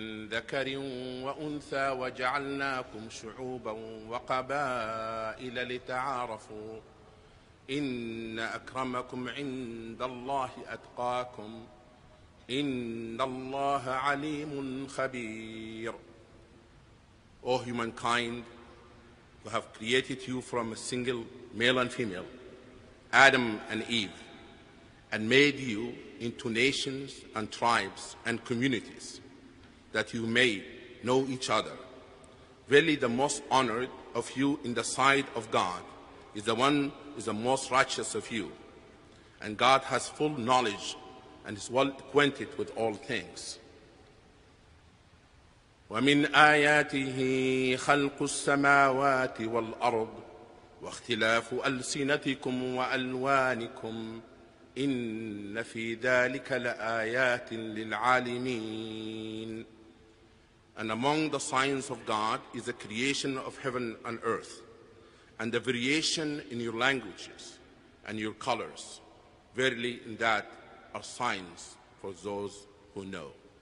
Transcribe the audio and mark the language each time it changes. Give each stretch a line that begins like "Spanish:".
Arabic: ذكر وأنثى وجعلناكم شعوبا وقبائل لتعارفوا إن أكرمكم عند الله أتقاكم إن الله عليم خبير.
English: O humankind, who have created you from a single male and female, Adam and Eve, and made you into nations and tribes and communities, that you may know each other. Verily, the most honored of you in the sight of God is the one who is the most righteous of you. And God has full knowledge and is well acquainted with all things.
Arabic: ومن آياته خلق السماوات والأرض واختلاف ألسنتكم وألوانكم إن في ذلك لآيات للعالمين.
English: And among the signs of God is the creation of heaven and earth, and the variation in your languages and your colors. Verily, in that are signs for those who know.